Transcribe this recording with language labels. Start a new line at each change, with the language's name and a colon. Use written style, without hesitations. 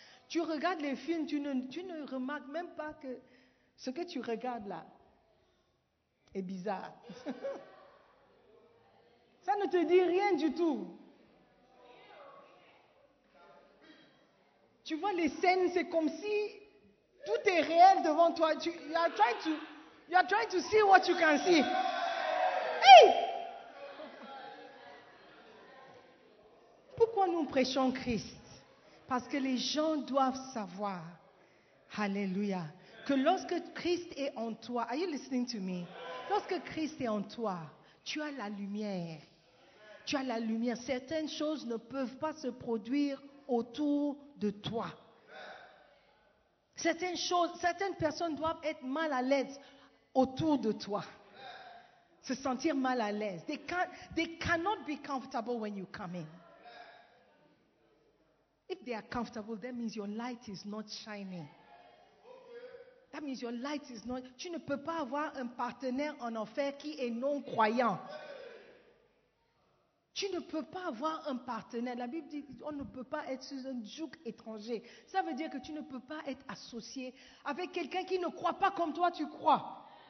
French: Tu regardes les films, tu ne remarques même pas que ce que tu regardes là est bizarre. Ça ne te dit rien du tout. Tu vois les scènes, c'est comme si tout est réel devant toi.
English: You are trying to see what you can see. Hey!
French: Pourquoi nous prêchons Christ? Parce que les gens doivent savoir, alléluia, que lorsque Christ est en toi,
English: are you listening to me?
French: Lorsque Christ est en toi, tu as la lumière. Tu as la lumière. Certaines choses ne peuvent pas se produire autour de toi. Certaines choses, certaines personnes doivent être mal à l'aise autour de toi. Se sentir mal à l'aise.
English: They cannot be comfortable when you come in. If they are comfortable, that means your light is not shining. That means your light is not...
French: Tu ne peux pas avoir un partenaire en enfer qui est non-croyant. Tu ne peux pas avoir un partenaire. La Bible dit qu'on ne peut pas être sous un joug étranger. Ça veut dire que tu ne peux pas être associé avec quelqu'un qui ne croit pas comme toi, tu crois.